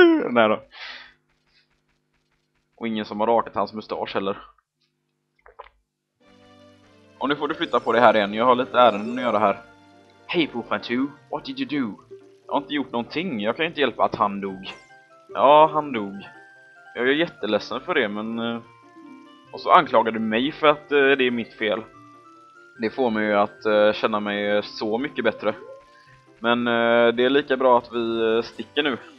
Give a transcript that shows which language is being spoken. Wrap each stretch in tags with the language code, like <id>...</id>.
<sv>Nej då. Och ingen som har rakat hans mustasch heller. Och nu får du flytta på det här igen. Jag har lite ärenden att göra här.</sv> <en>Hey Poofan 2, what did you do?</en> <sv>Jag har inte gjort någonting. Jag kan inte hjälpa att han dog. Ja, han dog. Jag är jätteledsen för det, men... Och så anklagar du mig för att det är mitt fel. Det får mig ju att känna mig så mycket bättre. Men det är lika bra att vi sticker nu.</sv>